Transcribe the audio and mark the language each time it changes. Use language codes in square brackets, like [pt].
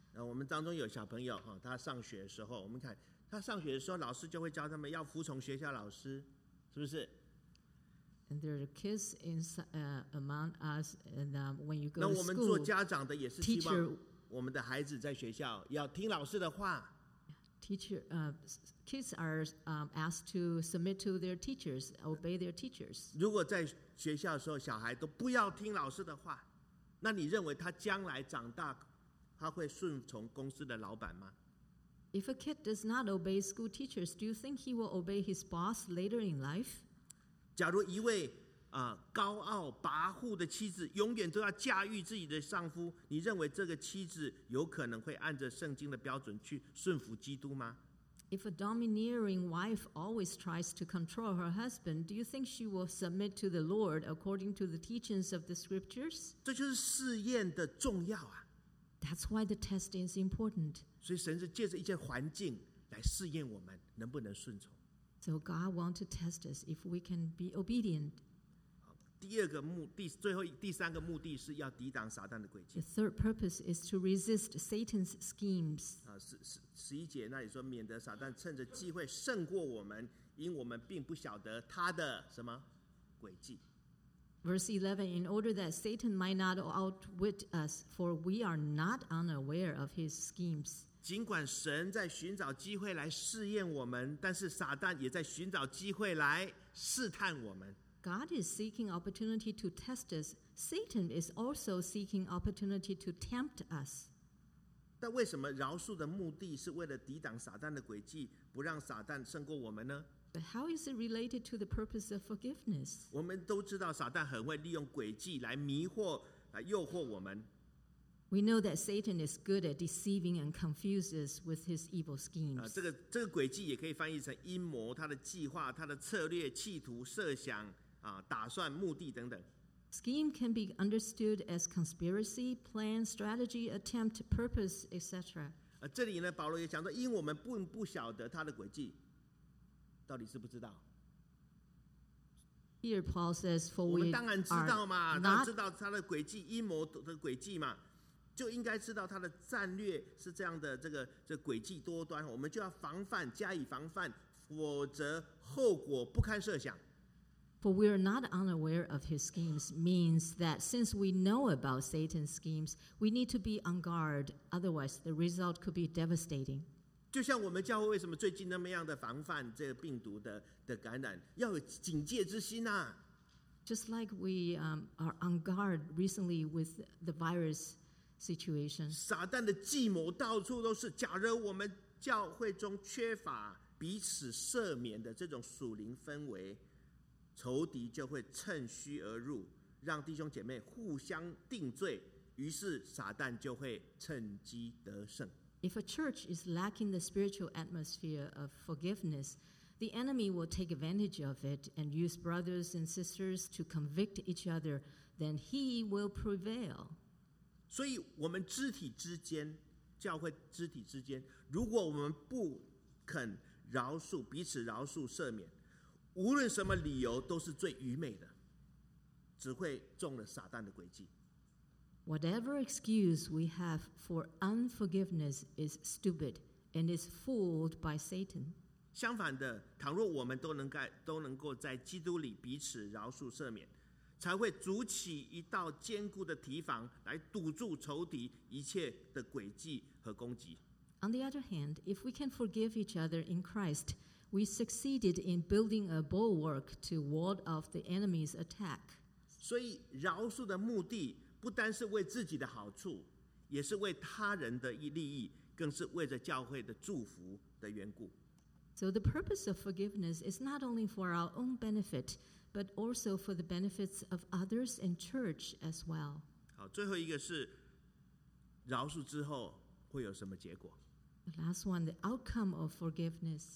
[zh] 我们当中有小朋友，他上学的时候，我们看他上学的时候，老师就会教他们要服从学校老师，是不是？ [en] And there are kids in among us, and when you go to school, [zh] 那我们做家长的也是希望我们的孩子在学校要听老师的话。 [en] Teacher, kids are asked to submit to their teachers, obey their teachers. [zh] 如果在学校的时候，小孩都不要听老师的话，那你认为他将来长大？他会顺从公司的老板吗？ [en] If a kid does not obey school teachers, do you think he will obey his boss later in life? [zh] 假如一位高傲跋扈的妻子永远都要驾驭自己的丈夫，你认为这个妻子有可能会按着圣经的标准去顺服基督吗？ [en] If a domineering wife always tries to control her husband, do you think she will submit to the Lord according to the teachings of the scriptures? [zh] 这就是试验的重要啊。 [en] That's why the testing is important. [zh] 所以神是借着一些环境来试验我们能不能顺从。 [en] So God wants to test us if we can be obedient. [zh] 第二个目的，最后第三个目的是要抵挡撒旦的诡计。 [en] The third purpose is to resist Satan's schemes. [zh] 十一节那里说，免得撒旦趁着机会胜过我们，因我们并不晓得他的什么诡计。 [en] Verse 11, in order that Satan might not outwit us, for we are not unaware of his schemes. [zh] 尽管神在寻找机会来试验我们，但是撒旦也在寻找机会来试探我们。 [en] God is seeking opportunity to test us. Satan is also seeking opportunity to tempt us. [zh] 但为什么饶恕的目的是为了抵挡撒旦的诡计，不让撒旦胜过我们呢？ [en] But how is it related to the purpose of forgiveness? [zh] 我们都知道撒旦很会利用诡计来迷惑、来诱惑我们。 [en] We know that Satan is good at deceiving and confuses with his evil schemes. [zh] 这个诡计也可以翻译成阴谋、他的计划、他的策略、企图、设想、打算、目的等等。 [en] Scheme can be understood as conspiracy, plan, strategy, attempt, purpose, etc. [zh] 这里呢，保罗也讲说，因为我们并不晓得他的诡计，到底知不知道？ [en] Here Paul says, for we [zh] 我们当然知道嘛，他知道他的诡计、阴谋的诡计嘛，就应该知道他的战略是这样的，这诡计多端，我们就要防范，加以防范，否则后果不堪设想。 [en] For we are not unaware of his schemes means that since we know about Satan's schemes, we need to be on guard, otherwise the result could be devastating. [zh] 就像我们教会为什么最近那么样的防范这个病毒 的感染，要有警戒之心啊。 [en] Just like we are on guard recently with the virus situation. [zh] 撒旦的计谋到处都是，假如我们教会中缺乏彼此赦免的这种属灵氛围，仇敌就会趁虚而入，让弟兄姐妹互相定罪，于是撒旦就会趁机得胜。 [en] If a church is lacking the spiritual atmosphere of forgiveness, the enemy will take advantage of it and use brothers and sisters to convict each other, then he will prevail. [zh] 所以我们肢体之间，教会肢体之间，如果我们不肯饶恕，彼此饶恕赦免，无论什么理由都是最愚昧的，只会中了撒旦的诡计。 [en] Whatever excuse we have for unforgiveness is stupid and is fooled by Satan. [zh] 相反的，倘若我们都能够在基督里彼此饶恕赦免，才会筑起一道坚固的堤防来堵住仇敌一切的诡计和攻击。 [en] On the other hand, if we can forgive each other in Christ, we succeeded in building a bulwark to ward off the enemy's attack. [zh] 所以饶恕的目的不单是为自己的好处，也是为他人的利益，更是为着教会的祝福的缘故。 [en] So the purpose of forgiveness is not only for our own benefit, but also for the benefits of others and church as well. [zh] 好，最后一个是饶恕之后会有什么结果？ [en] The last one, the outcome of forgiveness.